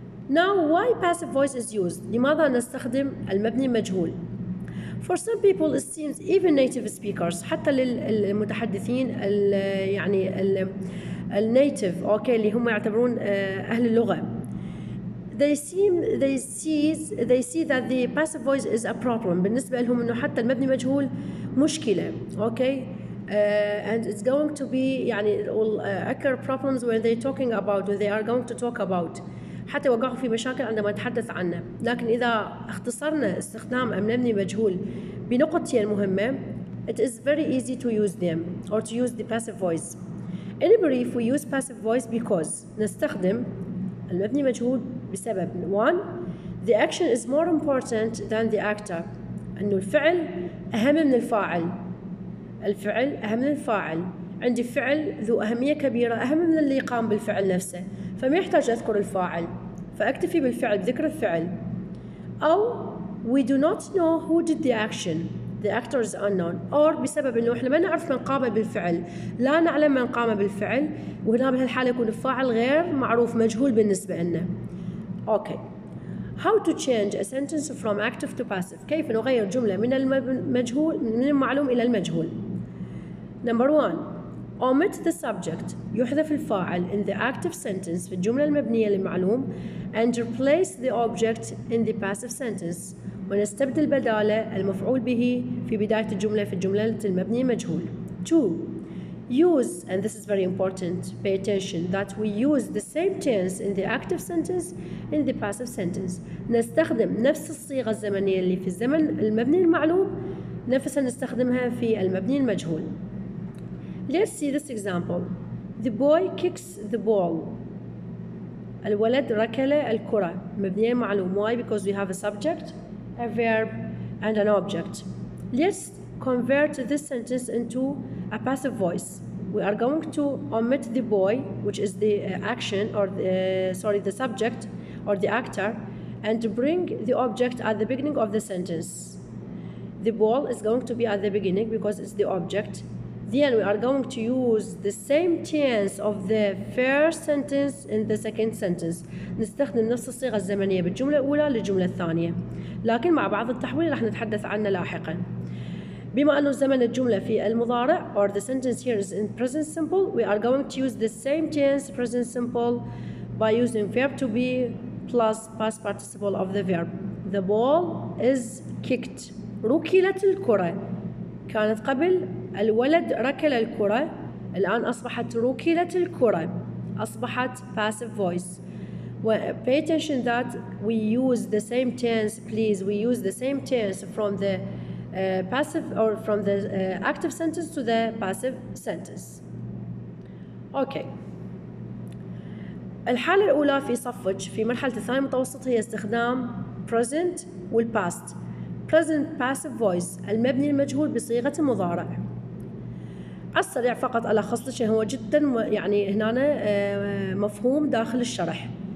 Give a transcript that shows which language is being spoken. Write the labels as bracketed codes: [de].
[en] Now why passive voice is used؟ [ar] لماذا نستخدم المبني المجهول؟ [en] For some people it seems even native speakers، [ar] حتى للمتحدثين يعني النيتيف، أوكي، اللي هم يعتبرون أهل اللغة. [en] They see that the passive voice is a problem. [ar] بالنسبة لهم إنه حتى المبني مجهول مشكلة. [en] Okay, and it's going to be يعني will occur problems when they talking about when they are going to talk about. [ar] حتى وقعوا في مشاكل عندما تحدث عنه. لكن إذا اختصرنا استخدام المبني مجهول بنقطتين مهمة، [en] it is very easy to use them or to use the passive voice. In brief, we use passive voice because [ar] نستخدم المبني مجهول بسبب [en] 1. The action is more important than the actor. [ar] أنه الفعل أهم من الفاعل. الفعل أهم من الفاعل. عندي فعل ذو أهمية كبيرة أهم من اللي قام بالفعل نفسه، فما يحتاج أذكر الفاعل، فأكتفي بالفعل، ذكر الفعل. [en] أو we do not know who did the action. The actor is unknown. [ar] Or بسبب أنه إحنا ما نعرف من قام بالفعل، لا نعلم من قام بالفعل، وهنا بهالحالة يكون الفاعل غير معروف، مجهول بالنسبة لنا. [en] Okay. How to change a sentence from active to passive? [ar] كيف نغير جملة من المجهول من المعلوم إلى المجهول؟ [en] Number one, omit the subject. [ar] يحذف الفاعل [en] in the active sentence [ar] في الجملة المبنية للمعلوم [en] and replace the object in the passive sentence. [ar] ونستبدل بدالة المفعول به في بداية الجملة في الجملة المبنية المجهول. [en] Two, use, and this is very important, pay attention, that we use the same tense in the active sentence in the passive sentence. [ar] نستخدم نفس الصيغة الزمنية اللي في الزمن المبني المعلوم نفسها نستخدمها في المبني المجهول. [en] Let's see this example. The boy kicks the ball. [ar] الولد ركل الكرة. مبني المعلوم. [en] Why? Because we have a subject, a verb, and an object. Let's convert this sentence into a passive voice. We are going to omit the boy, which is the action or the subject or the actor, and bring the object at the beginning of the sentence. The ball is going to be at the beginning because it's the object. then we are going to use the same tense of the first sentence in the second sentence. [ar] نستخدم نفس الصيغة الزمنية بالجملة الأولى للجملة الثانية، لكن مع بعض التحويل راح نتحدث عنه لاحقا. بما أنه زمن الجملة في المضارع [en] or the sentence here is in present simple, we are going to use the same tense present simple by using verb to be plus past participle of the verb. The ball is kicked. [ar] ركلت الكرة. كانت قبل الولد ركل الكرة، الآن أصبحت ركلت الكرة، أصبحت passive voice. [en] Well, pay attention that we use the same tense, please. We use the same tense from the passive or from the active sentence to the passive sentence. Okay. [ar] الحالة الأولى في صفج في مرحلة الثانية متوسط هي استخدام present والpast. [en] Present passive voice [ar] المبني المجهول بصيغة المضارع. السريع فقط ألخص لك، هو جدا يعني هنا مفهوم داخل الشرح.